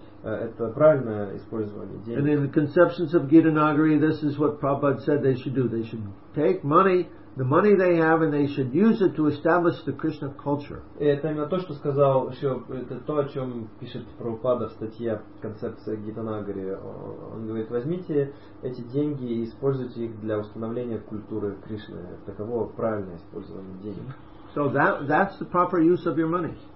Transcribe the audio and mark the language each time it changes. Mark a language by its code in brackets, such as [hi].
[ru] Это правильное использование денег. [en] And in the conceptions of Gita Nagari, this is what Prabhupada said they should do. They should take money, the money they have, and they should use it to establish the Krishna culture. [ru] И это именно то, что сказал, это то, о чем пишет Прабхупада в статье «Концепция Гита Нагари». Он говорит, возьмите эти деньги и используйте их для установления культуры Кришны. Таково правильное использование денег. [en] So that's the proper use of your money.